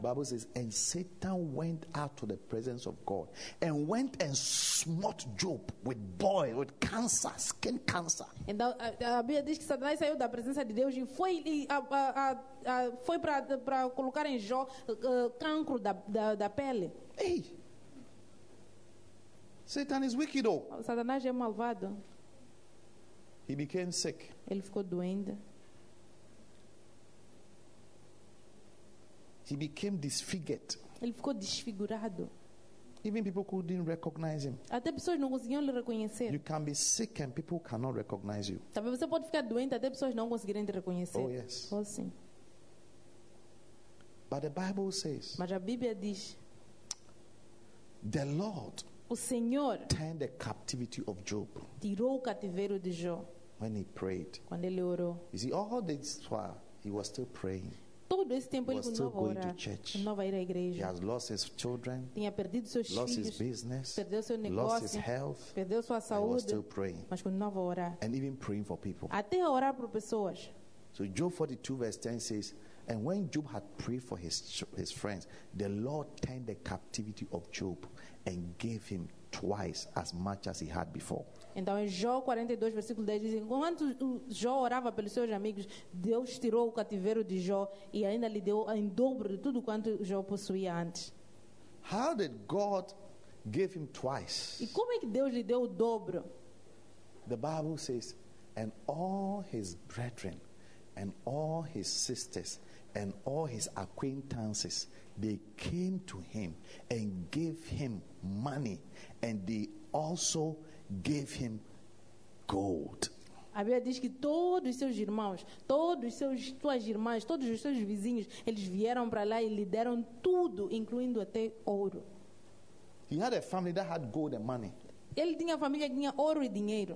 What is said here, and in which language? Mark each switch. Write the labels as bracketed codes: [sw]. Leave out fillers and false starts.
[en] The Bible says, and Satan went out to the presence of God and went and smote Job with boil, with cancer, skin cancer. [pt] Então a Bíblia diz que Satanás saiu da presença de Deus e foi para colocar em Jó cancro da pele. Hey. [en] Satan is wicked, oh. [pt] Satanás é malvado. [en] He became sick. [pt] Ele ficou doente. [en] He became disfigured. [pt] Ele ficou desfigurado. [en] Even people couldn't recognize him. [pt] Até pessoas não conseguiam lhe reconhecer. [en] You can be sick and people cannot recognize you. [pt] Talvez você pode ficar doente até pessoas não conseguirem te reconhecer. [en] Oh yes. [pt] Oh sim. [en] But the Bible says. [pt] Mas a Bíblia diz. [en] The Lord. [pt] O Senhor [en] turned the captivity of Job. [pt] Tirou o cativeiro de Jó. [en] When he prayed. [pt] Quando ele orou. [en] You see, all this while he was still praying. [pt] Todo esse tempo [en] he was still going to church. [pt] Nova era igreja. [en] He has lost his children. [pt] Tinha perdido seus filhos. [en] Lost his business. [pt] Perdeu seu negócio. [en] Lost his health. [pt] Perdeu sua saúde. [en] He was still praying. [pt] Mas continuava a orar. [en] And even praying for people. [pt] Até a orar por pessoas. [en] So Job 42 verse 10 says, and when Job had prayed for his friends, the Lord turned the captivity of Job and gave him twice as much as he had before. [pt] Então em Jó 42 versículo 10 diz, enquanto Jó orava pelos seus amigos, Deus tirou o cativeiro de Jó e ainda lhe deu em dobro de tudo quanto Jó possuía antes. [en] How did God give him twice? [pt] E como é que Deus lhe deu o dobro? [en] The Bible says, and all his brethren and all his sisters and all his acquaintances, they came to him and gave him money, and they also gave him gold. [pt] A Bíblia diz que todos os seus irmãos, suas irmãs, todos os seus vizinhos, eles vieram para lá e lhe deram tudo, incluindo até ouro. [en] He had a family that had gold and money. [pt] Ele tinha família que tinha ouro e dinheiro.